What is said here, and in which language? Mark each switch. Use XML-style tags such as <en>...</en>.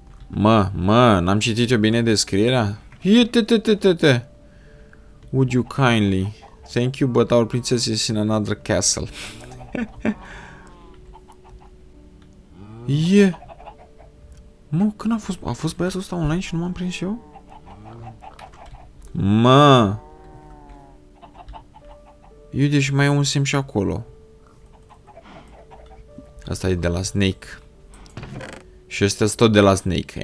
<ro>Mă, n-am citit eu bine descrierea? Iete.</ro> <en>Would you kindly? Thank you, but our princess is in another castle.</en> <ro>Mă, când a fost băiatul ăsta online și nu m-am prins eu? Mă! Uite, și mai e un sim și acolo. Asta e de la Snake. Și ăsta sunt tot de la Snake.</ro>